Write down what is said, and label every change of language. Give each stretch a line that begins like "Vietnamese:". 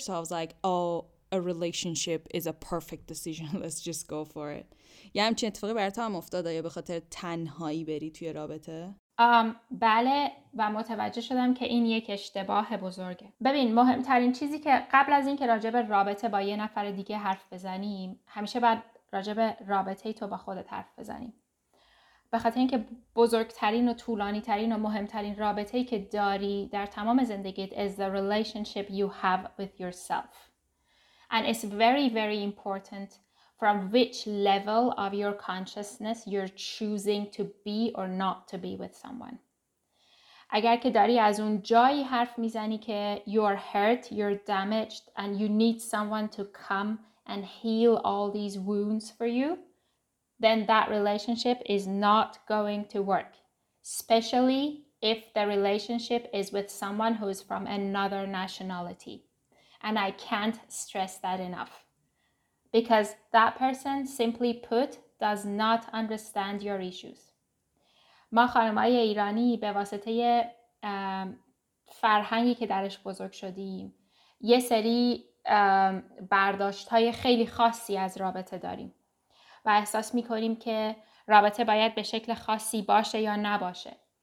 English: So I was like, oh, a relationship is a perfect decision. Let's just go for it.
Persian: یه همچین اتفاقی برای تو هم افتاده یا به خاطر تنهایی بری توی رابطه؟ بله و متوجه شدم که این یک اشتباه بزرگه. ببین، مهمترین چیزی که قبل از این که راجب رابطه با یه نفر دیگه حرف بزنیم، همیشه باید راجب رابطه تو با خودت حرف بزنیم. به خاطر اینکه بزرگترین و طولانیترین و مهمترین رابطه‌ای که داری در تمام زندگیت
English: is the relationship you have with yourself. And it's very, very important from which level of your consciousness you're choosing to be or not to be with someone.
Persian: اگر که داری از اون جایی حرف میزنی که
English: you're hurt, you're damaged, and you need someone to come and heal all these wounds for you, then that relationship is not going to work. Especially if the relationship is with someone who is from another nationality. And I can't stress that enough. Because that person, simply put, does not understand your issues.
Persian: ما خانمای ایرانی به واسطه فرهنگی که درش بزرگ شدیم، یه سری برداشت‌های خیلی خاصی از رابطه داریم. و احساس میکنیم که رابطه باید به شکل خاصی باشه یا نباشه.